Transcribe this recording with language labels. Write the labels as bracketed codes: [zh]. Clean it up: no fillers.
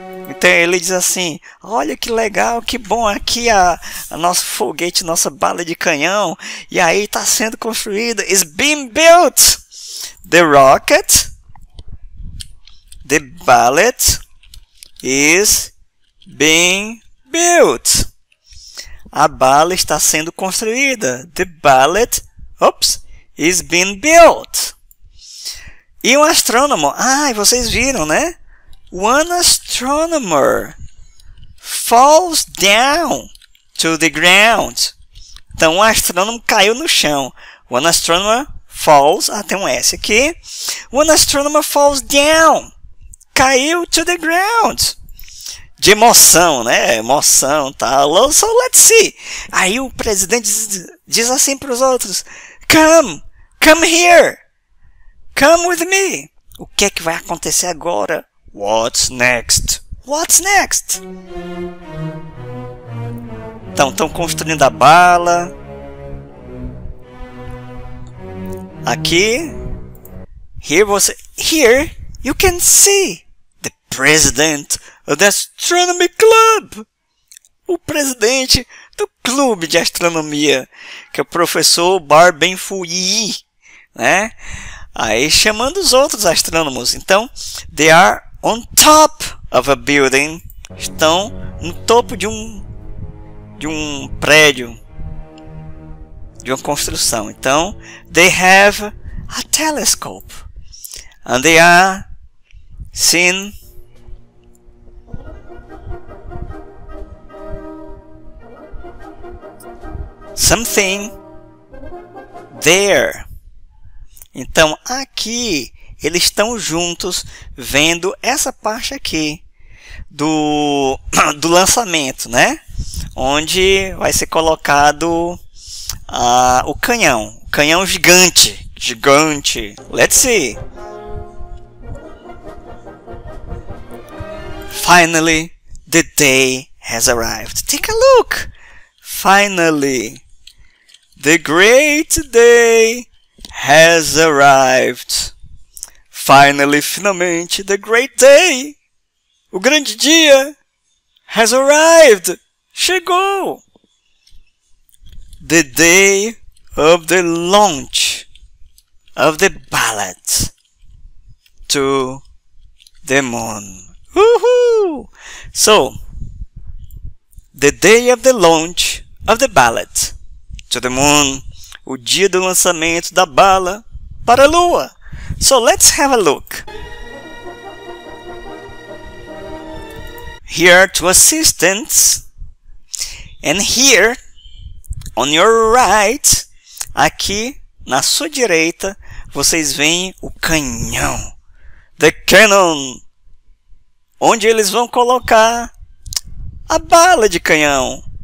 [pt] Então ele diz assim, olha que legal, que bom aqui a nosso foguete, nossa bala de canhão. E aí está sendo construído. [en] It's being built. The rocket, the bullet is being built. [pt] A bala está sendo construída. [en] The bullet, is being built. [pt] E um astrônomo, ai, vocês viram, né? [en] One astronomer falls down to the ground. [pt] Então, um astrônomo caiu no chão. [en] One astronomer falls. [pt] Ah, tem um S aqui. [en] One astronomer falls down. [pt] Caiu [en] to the ground. [pt] De emoção, né? Emoção, tá? [en] So, let's see. [pt] Aí, o presidente diz assim para os outros. [en] Come. Come here. Come with me. [pt] O que é que vai acontecer agora? [en] What's next? What's next? [pt] Então, estão construindo a bala. Aqui. [en] Here you can see the president of the astronomy club. [pt] O presidente do clube de astronomia, que é o professor Barben Fuyi, né? Aí chamando os outros astrônomos. [en] Então, they are on top of a building. [pt] Estão no topo de um prédio, de uma construção. [en] Então, they have a telescope. And they are seeing something there. [pt] Então, aqui, eles estão juntos vendo essa parte aqui do lançamento, né? Onde vai ser colocado o canhão. Canhão gigante. Gigante. [en] Let's see. Finally, The day has arrived. Take a look. Finally, the great day has arrived. Finally, [pt] finalmente, [en] the great day. [pt] O grande dia [en] has arrived. [pt] Chegou. [en] The day of the launch of the ballot to the moon. Woohoo! So, the day of the launch of the ballot to the moon. [pt] O dia do lançamento da bala para a lua. [en] So, let's have a look. Here are two assistants. And here, on your right, [pt] aqui na sua direita, vocês veem o canhão. [en] The cannon. [pt] Onde eles vão colocar a bala de canhão.